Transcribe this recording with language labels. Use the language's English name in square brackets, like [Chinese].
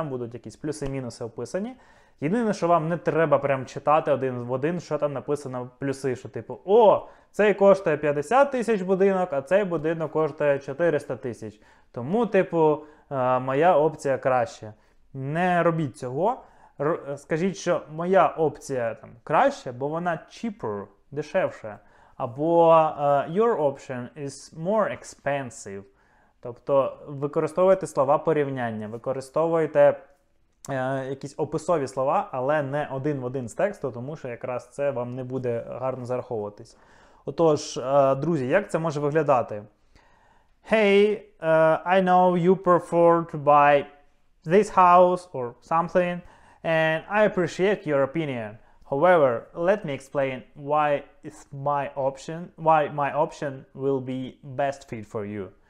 [Ukrainian] Там будуть якісь плюси-мінуси описані. Єдине, що вам не треба прям читати один в один, що там написано плюси, що типу, о, цей коштує 50 тисяч будинок, а цей будинок коштує 400 тисяч. Тому, типу, моя опція краща. Не робіть цього. Скажіть, що моя опція там краща, бо вона cheaper, дешевше. Або [English] your option is more expensive. [Ukrainian] Тобто використовуйте слова порівняння, використовуйте якісь описові слова, але не один в один з тексту, тому що якраз це вам не буде гарно зараховуватись. Отож, друзі, як це може виглядати? [English] Hey, I know you prefer to buy this house or something, and I appreciate your opinion. However, let me explain why my option will be best fit for you.